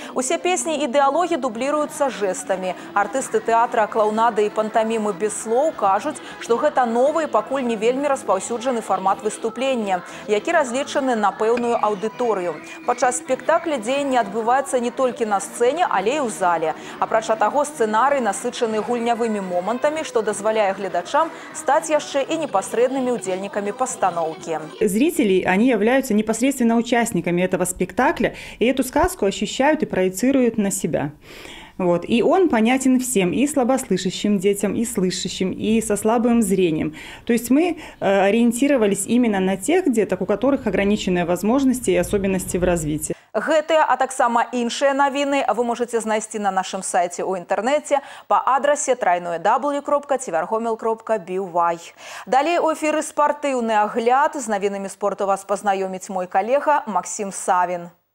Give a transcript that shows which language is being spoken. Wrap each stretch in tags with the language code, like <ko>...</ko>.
<be>Усе песні і дыалогі дубліруюцца жэстамі. Артысты тэатра, клаунады і пантамімы без слоў кажуць, што гэта новы і пакуль не вельмі распаўсюджаны фармат выступлення, які разлічаны на пэўную аўдыторыю. Падчас спектакля дзеянне адбываецца не толькі на сцэне, але і ў зале. Апрача таго, сцэнарый насычаны гульнявымі момантамі, што дазваляе гледачам стаць яшчэ і непасрэднымі ўдзельнікамі пастаноўкі.</be> <ru>Зрители, они являются непосредственно участниками этого спектакля, и эту сказку ощущают и проецируют на себя. Вот. И он понятен всем, и слабослышащим детям, и слышащим, и со слабым зрением. То есть мы ориентировались именно на тех деток, у которых ограничены возможности и особенности в развитии.</ru> <be>Гэтыя, а таксама іншыя навіны вы можаце знайсці на нашым сайце ў інтэрнэце па адрасе www.tvergomel.by. Далей у эфіры спартыўны агляд. З навінамі спорту вас пазнаёміць мой калега Максім Савін.</be>